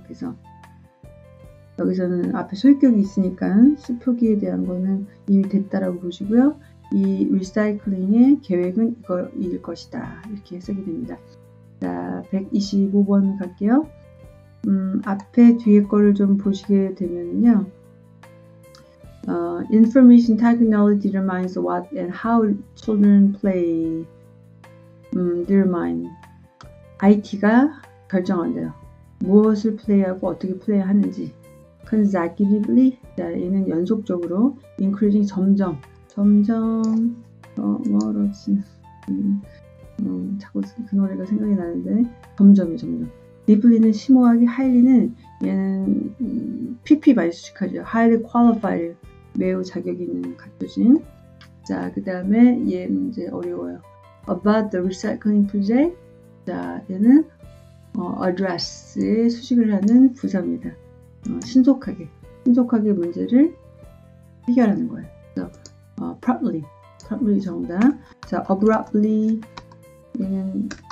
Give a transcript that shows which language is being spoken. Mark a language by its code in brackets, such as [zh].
[ko] 그래서 여기서는 앞에 소유격이 있으니까 수표기에 대한 거는 이미 됐다라고 보시고요. 이 리사이클링의 계획은 이거일 것이다. 이렇게 해석이 됩니다. 자, 125번 갈게요. 앞에 뒤에 거를 좀 보시게 되면요. [en] Information technology determines what and how children play determine. [ko] IT가 결정한대요. 무엇을 플레이하고 어떻게 플레이하는지. Consecutively, 자, 얘는 연속적으로, increasing 점점. 점점 멀어지는. 자꾸 그 노래가 생각이 나는데, 점점이 점점. Deeply는 심오하게, highly는 얘는 PP 많이 수식하죠. Highly qualified, 매우 자격 있는 갖춰진. 자, 그 다음에 얘 문제 어려워요. About the recycling project. 자, 얘는 address에 수식을 하는 부사입니다. 신속하게, 신속하게 문제를 해결하는 거예요. promptly, promptly 정답. 자, abruptly, 얘는